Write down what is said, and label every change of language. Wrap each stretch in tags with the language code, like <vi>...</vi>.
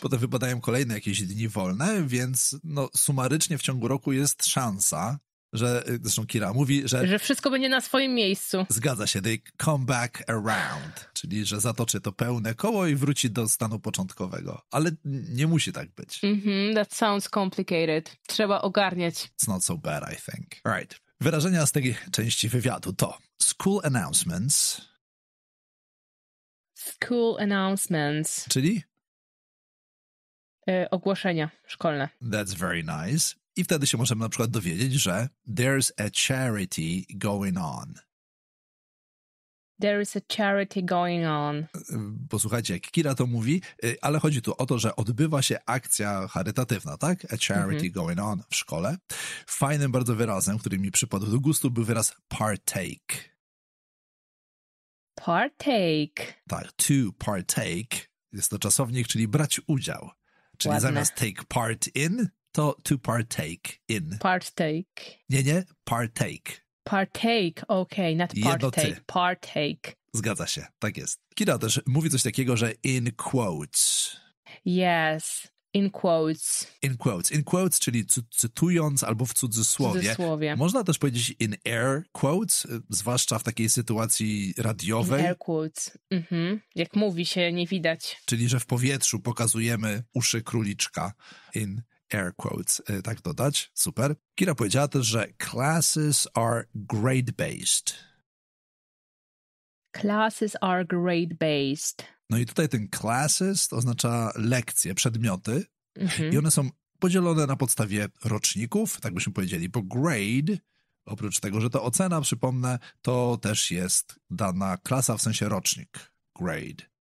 <pl>Potem wypadają kolejne jakieś dni wolne, więc no sumarycznie w ciągu roku jest szansa, że, zresztą Kira mówi, że... że wszystko będzie na swoim miejscu. Zgadza się,</pl> <en>they come back around,</en> <pl>czyli że zatoczy to pełne koło i wróci do stanu początkowego. Ale nie musi tak być.</pl> <en>Mm-hmm, that sounds complicated.</en> <pl>Trzeba ogarniać.</pl> <en>It's not so bad, I think. All right.</en> <pl>Wyrażenia z tej części wywiadu to</pl> <en>school announcements. School announcements.</en> <pl>Czyli? Ogłoszenia szkolne.</pl> <en>That's very nice.</en> <pl>I wtedy się możemy na przykład dowiedzieć, że</pl> <en>there's a charity going on. There is a charity going on.</en> <pl>Posłuchajcie, jak Kira to mówi, ale chodzi tu o to, że odbywa się akcja charytatywna, tak?</pl> <en>A charity</en> <pl>mm-hmm.</pl> <en>going on</en> <pl>w szkole. Fajnym bardzo wyrazem, który mi przypadł do gustu, był wyraz partake.</pl> <en>Partake.</en> <pl>Tak, to partake jest to czasownik, czyli brać udział. Czyli ładne. Zamiast</pl> <en>take part in...</en> <pl>to to partake in.</pl> <en>Partake.</en> <pl>Nie, partake.</pl> <en>Partake, okej, okay, not partake, jednoty. Partake.</en> <pl>Zgadza się, tak jest. Kira też mówi coś takiego, że</pl> <en>in quotes. Yes, in quotes. In quotes,</en> <pl>czyli cytując albo w cudzysłowie. Można też powiedzieć</pl> <en>in air quotes,</en> <pl>zwłaszcza w takiej sytuacji radiowej.</pl> <en>In air quotes,</en> <pl>mhm. Jak mówi się, nie widać. Czyli, że w powietrzu pokazujemy uszy króliczka</pl> <en>in air quotes,</en> <pl>tak dodać. Super. Kira powiedziała też, że</pl> <en>classes are grade-based. Classes are grade-based.</en> <pl>No i tutaj ten classes to oznacza lekcje, przedmioty. Mm-hmm. I one są podzielone na podstawie roczników, tak byśmy powiedzieli, bo grade, oprócz tego, że to ocena, przypomnę, to też jest dana klasa, w sensie rocznik.</pl> <en>Grade.</en>